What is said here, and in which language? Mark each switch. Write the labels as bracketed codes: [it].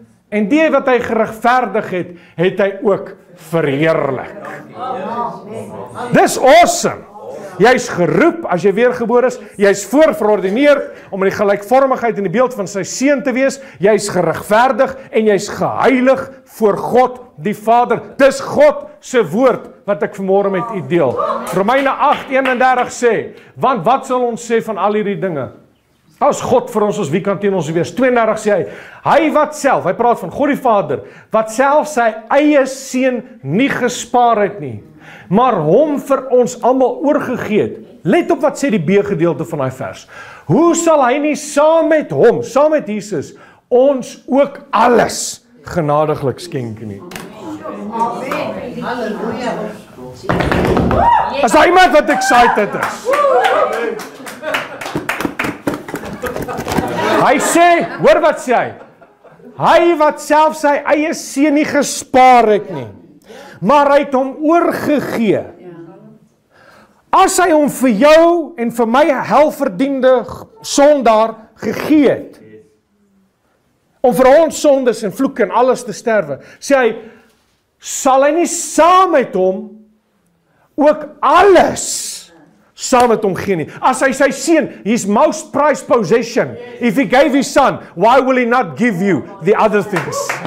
[af] En die wat hy geregverdig het, het hy ook verheerlik. Dis awesome! Jy is geroep as jy weergeboor is, jy is voorverordineer om in die gelijkvormigheid en die beeld van sy seun te wees, jy is geregverdig en jy is geheilig voor God die Vader. Dis God se woord wat ek vanmorgen met u deel. Romeine 8, 31 sê, want wat sal ons sê van al hierdie dinge? As God vir ons, as wie kan teen ons wees? 32 sê hy, hy wat self, hy praat van God die Vader, wat self sy eie seun nie gespaar het nie, maar hom vir ons allemaal oorgegeet. Let op wat sê die B-gedeelte van die vers. Hoe sal hy nie saam met hom, saam met Jesus, ons ook alles genadiglik skenk nie? Is daar iemand wat excited is? Hy sê, hoor wat sê hy, hy wat self sy eie seun nie gespaar het nie, maar hy het hom oorgegee. As hy hom vir jou en vir my helverdiende sondaar gegee het, om vir ons sondes en vloeke en alles te sterwe, sê hy, sal hy nie saam met hom ook alles saam met hom gee nie. As hy sy seun, [en] his most prized possession, if he gave his son, why will he not give you the other things?